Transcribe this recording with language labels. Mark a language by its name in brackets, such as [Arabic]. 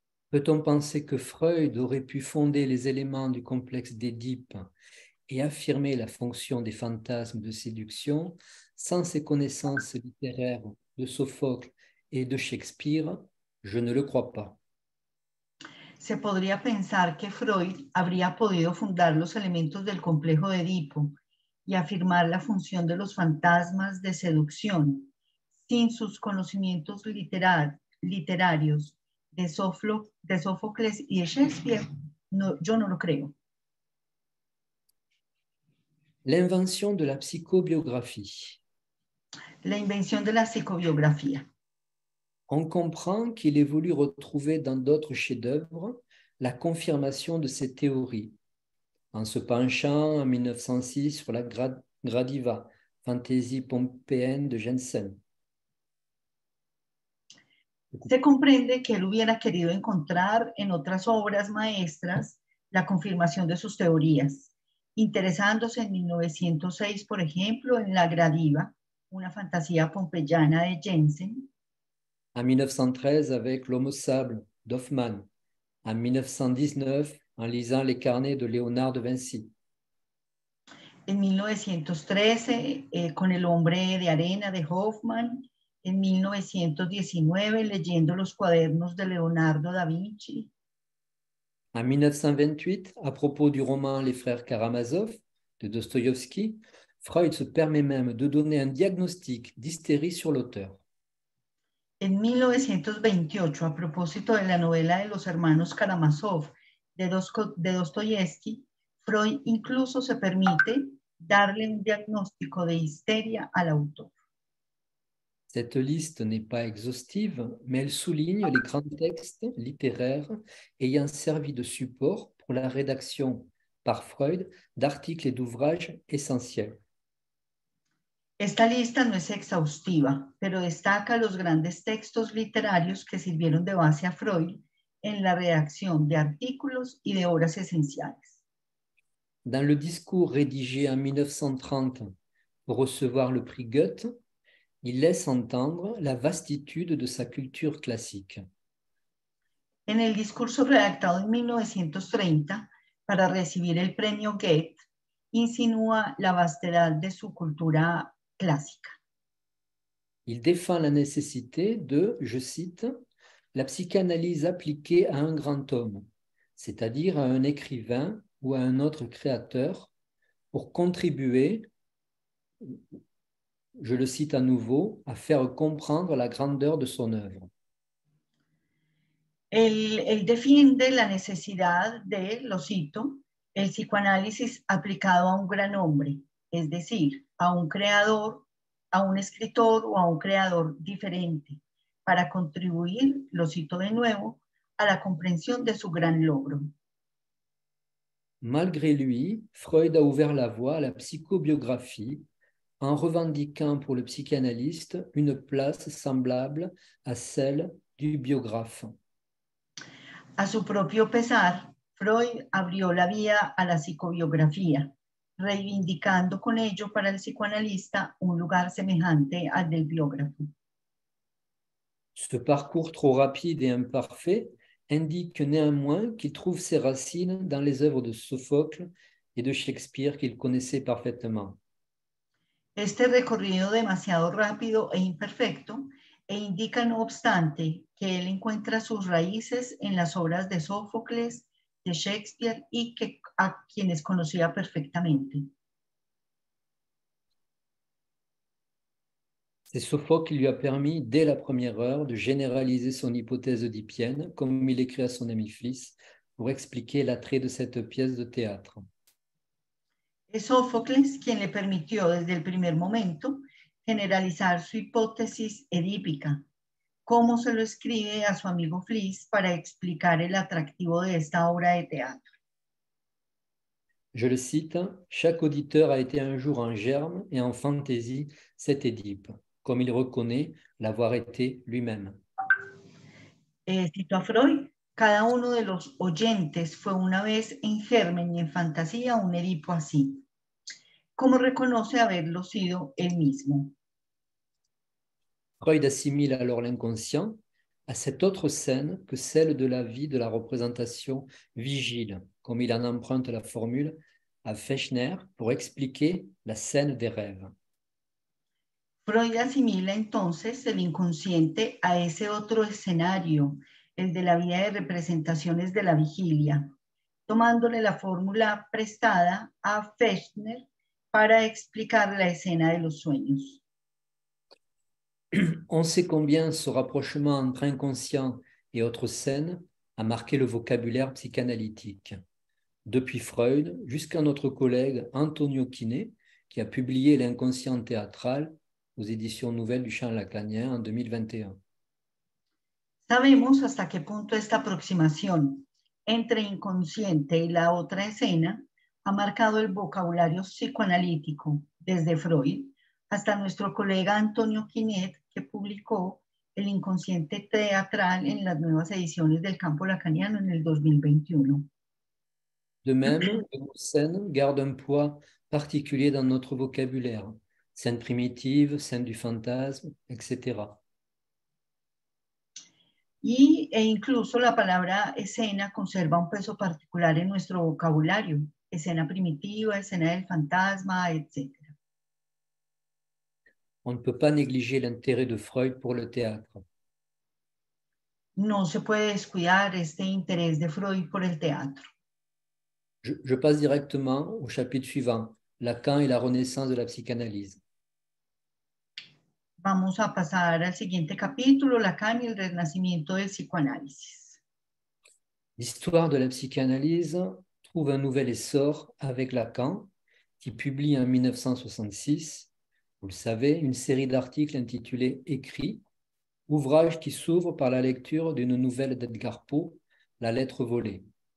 [French] Peut-on penser que Freud aurait pu fonder les éléments du complexe d'Édipe et affirmer la fonction des fantasmes de séduction sans ses connaissances littéraires de Sophocle et de Shakespeare? Je ne le crois pas. [Spanish] Se podría pensar que Freud habría podido fundar los elementos del complejo de Edipo y afirmar la función de los fantasmas de seducción sin sus conocimientos literarios de Sófocles y de Shakespeare, no, yo no lo creo. [French] L'invention de la psicobiografie. [Spanish] La invención de la psicobiografía. [French] On comprend qu'il ait voulu retrouver dans d'autres chefs-d'œuvre la confirmation de ses théories. En se penchant en 1906 sur la Gradiva, fantaisie pompéenne de Jensen. [Spanish] Se comprende que él hubiera querido encontrar en otras obras maestras la confirmación de sus teorías, interesándose en 1906, por ejemplo, en la Gradiva, una fantasía pompeyana de Jensen. [French] En 1913 avec L'homme au sable d'Hoffmann, en 1919 en lisant les carnets de Léonard de Vinci. [Spanish] En 1913 con El hombre de arena de Hoffmann, en 1919 leyendo los cuadernos de Leonardo da Vinci. [French] En 1928 à propos du roman Les frères Karamazov de Dostoïevski, Freud se permet même de donner un diagnostic d'hystérie sur l'auteur. [Spanish] En 1928, a propósito de la novela de los hermanos Karamazov de Dostoyevsky, Freud incluso se permite darle un diagnóstico de histeria al autor. [French] Cette liste n'est pas exhaustive, mais elle souligne les grands textes littéraires ayant servi de support pour la rédaction par Freud d'articles et d'ouvrages essentiels. [Spanish] Esta lista no es exhaustiva, pero destaca los grandes textos literarios que sirvieron de base a Freud en la redacción de artículos y de obras esenciales. [French] Dans le discours rédigé en 1930 pour recevoir le prix Goethe, il laisse entendre la vastitude de sa culture classique. [Spanish] En el discurso redactado en 1930 para recibir el premio Goethe, insinúa la vastedad de su cultura [French] classique. Il défend la nécessité de, je cite, la psychanalyse appliquée à un grand homme, c'est-à-dire à un écrivain ou à un autre créateur, pour contribuer, je le cite à nouveau, à faire comprendre la grandeur de son œuvre. [Spanish] Él defiende la necesidad de, lo cito, el psicoanálisis aplicado a un gran hombre, es decir, a un creador, a un escritor o a un creador diferente, para contribuir, lo cito de nuevo, a la comprensión de su gran logro. [French] Malgré lui, Freud a ouvert la voie à la psychobiographie en revendiquant pour le psychanalyste une place semblable à celle du biographe. [Spanish] A su propio pesar, Freud abrió la vía a la psicobiografía, reivindicando con ello para el psicoanalista un lugar semejante al del biógrafo. [French] Ce parcours trop rapide et imparfait indique néanmoins qu'il trouve ses racines dans les œuvres de Sophocle et de Shakespeare qu'il connaissait parfaitement. [Spanish] Este recorrido demasiado rápido e imperfecto e indica no obstante que él encuentra sus raíces en las obras de Sófocles, de Shakespeare y que a quienes conocía perfectamente. [French] C'est Sophocle qui lui a permis, dès la première heure, de généraliser son hypothèse oedipienne, comme il écrit à son ami Phlis, pour expliquer l'attrait de cette pièce de théâtre. [Spanish] Es Sófocles quien le permitió desde el primer momento generalizar su hipótesis edípica, como se lo escribe a su amigo Phlis para explicar el atractivo de esta obra de teatro. [French] Je le cite, « Chaque auditeur a été un jour en germe et en fantaisie cet Édipe, comme il reconnaît l'avoir été lui-même. » [Spanish] Cito a Freud, « Cada uno de los oyentes fue una vez en germen y en fantasía un Édipo así. » [French] Comme [Spanish] reconoce haberlo sido él mismo. [French] Freud assimile alors l'inconscient à cette autre scène que celle de la vie de la représentation vigile, comme il en emprunte la formule à Fechner pour expliquer la scène des rêves. [Spanish] Freud [French] assimile [Spanish] entonces el inconsciente a ese otro escenario, el de la vida de representaciones de la vigilia, tomándole la fórmula prestada a Fechner para explicar la escena de los sueños. [French] On sait combien ce rapprochement entre inconscient et autre scène a marqué le vocabulaire psychanalytique. Depuis Freud jusqu'à notre collègue Antonio Kiné, qui a publié l'inconscient théâtral aux éditions Nouvelles du Champ Lacanien en 2021. [Spanish] Sabemos hasta qué punto esta aproximación entre inconsciente y la otra escena ha marcado el vocabulario psicoanalítico desde Freud hasta nuestro colega Antonio Kinet, que publicó El inconsciente teatral en las nuevas ediciones del campo lacaniano en el 2021. [French] De même, la scène garde un poids particulier dans notre vocabulaire, scène primitive, scène du fantasme, etc. [Spanish] E incluso la palabra escena conserva un peso particular en nuestro vocabulario. Escena primitiva, escena del fantasma, etc. [French] On ne peut pas négliger l'intérêt de Freud pour le théâtre. [Spanish] No se puede descuidar este interés de Freud por el teatro. [French] Je passe directement au chapitre suivant, Lacan et la renaissance de la psychanalyse. [Spanish] Vamos a pasar al siguiente capítulo, Lacan y el renacimiento del psicoanálisis. [French] L'histoire de la psychanalyse trouve un nouvel essor avec Lacan, qui publie en 1966, vous le savez, une série d'articles intitulée « Écrits », ouvrage qui s'ouvre par la lecture d'une nouvelle d'Edgar Poe, « La lettre volée ».